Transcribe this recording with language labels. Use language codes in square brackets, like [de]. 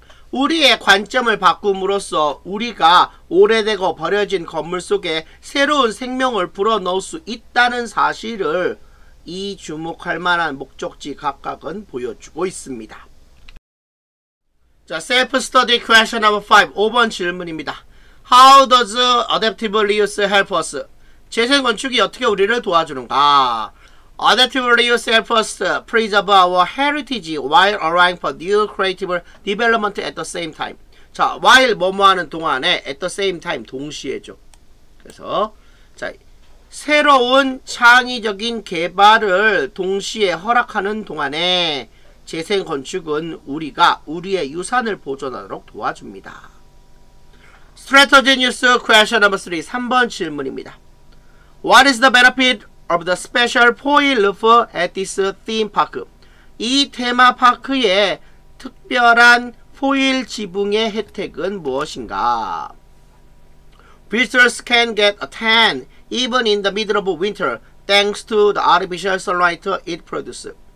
[ko] 우리의 관점을 바꿈으로써 우리가 오래되고 버려진 건물 속에 새로운 생명을 불어넣을 수 있다는 사실을 이 주목할 만한 목적지 각각은 보여주고 있습니다. 자, [en] self-study question number 5, [ko] 5번 질문입니다. [en] How does adaptive reuse help us? [ko] 재생건축이 어떻게 우리를 도와주는가? [en] Adaptive reuse help us preserve our heritage while allowing for new creative development at the same time. [ko] 자, while 뭐뭐하는 동안에 [en] at the same time, [ko] 동시에죠. 그래서, 자, 새로운 창의적인 개발을 동시에 허락하는 동안에 재생건축은 우리가 우리의 유산을 보존하도록 도와줍니다. [en] Strategy News Question No. 3, [ko] 3번 질문입니다. [en] What is the benefit of the special foil roof at this theme park? [ko] 이 테마파크의 특별한 포일 지붕의 혜택은 무엇인가? [en] Visitors can get a tan even in the middle of winter thanks to the artificial sunlight it produces.